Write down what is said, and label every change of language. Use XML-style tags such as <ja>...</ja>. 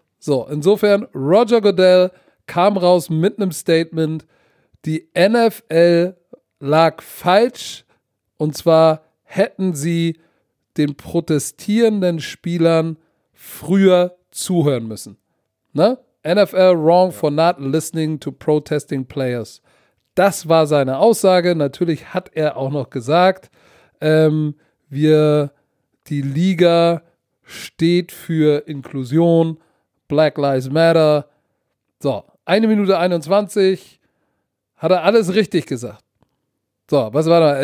<de>So, insofern, Roger Goodell kam raus mit einem Statement, die NFL lag falsch und zwar hätten sie den protestierenden Spielern früher zuhören müssen. Ne?</de> <en>NFL wrong for not listening to protesting players.</en> <de>Das war seine Aussage. Natürlich hat er auch noch gesagt, die Liga steht für Inklusion, Black Lives Matter. So, 1 Minute 21 hat er alles richtig gesagt. So, was war da?</de>